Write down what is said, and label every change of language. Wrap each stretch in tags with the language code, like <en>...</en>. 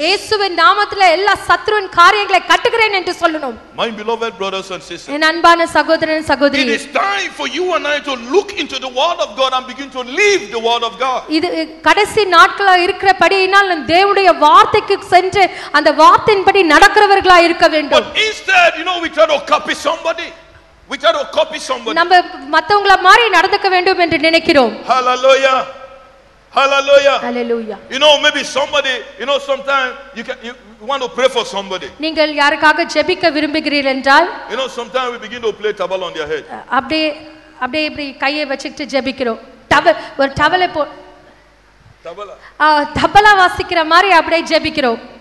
<ta>இயேசுவின் நாமத்தில் எல்லா சத்துருவின் காரியங்களை கட்டுகிறேன் என்று சொல்லணும்.</ta> <en>My beloved brothers and sisters,</en> <ta>என் அன்பான சகோதரன் சகோதரி,</ta> <en>it is time for you and I to look into the word of God and begin to live the word of God.</en> <ta>இது கடைசி நாட்களாக இருக்கிறபடியினால் நாம் தேவனுடைய வார்த்தைக்கு சென்று அந்த வார்த்தையின்படி நடக்கிறவர்களாக இருக்க வேண்டும்.</ta> <en>But instead, you know, we try to copy somebody. We try to copy somebody.</en> <ta>நம்ம மத்தவங்கள மாதிரி நடந்துக்க வேண்டும் என்று நினைக்கிறோம்.</ta> <en>Hallelujah. Hallelujah. Hallelujah. You know, maybe somebody, you know, sometimes you can you want to pray for somebody.</en> <ta>நீங்கள் யாருக்காக ஜெபிக்க விரும்புகிறீர்கள் என்றால்,</ta> <en>you know, sometimes we begin to play towel on their head.</en> <ta>அப்படியே இப்படி கையை வச்சிட்டு ஜெபிக்கிறோம். டவல் ஒரு டவல போ டபலா டபலா வாசிக்கிற மாதிரி அப்படியே ஜெபிக்கிறோம்.</ta>